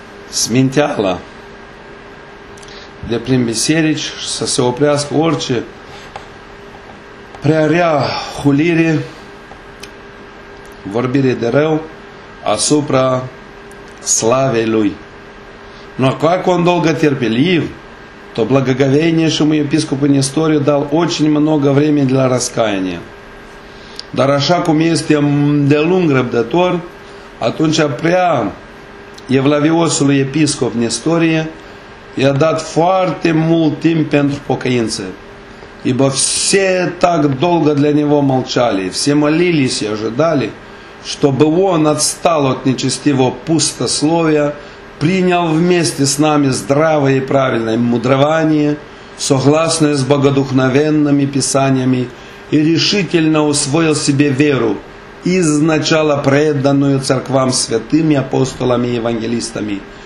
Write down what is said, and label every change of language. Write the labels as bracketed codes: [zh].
[ro] sminteala de prin biserici și să se oprească orice prea rea hulire, vorbire de rău asupra slavei Lui. [ru] Но как он долго терпелив, то благоговейнейшему епископу Несторию дал очень много времени для раскаяния. [ro] Dar așa cum este de lung răbdător, atunci prea evlaviosului episcop Nestorie i-a dat foarte mult timp pentru pocăință. [ru] Ибо все так долго для него молчали, все молились и ожидали, чтобы он отстал от нечестивого пустословия, принял вместе с нами здравое и правильное мудрование, согласное с богодухновенными писаниями, и решительно усвоил себе веру, изначально преданную церквам святыми апостолами и евангелистами,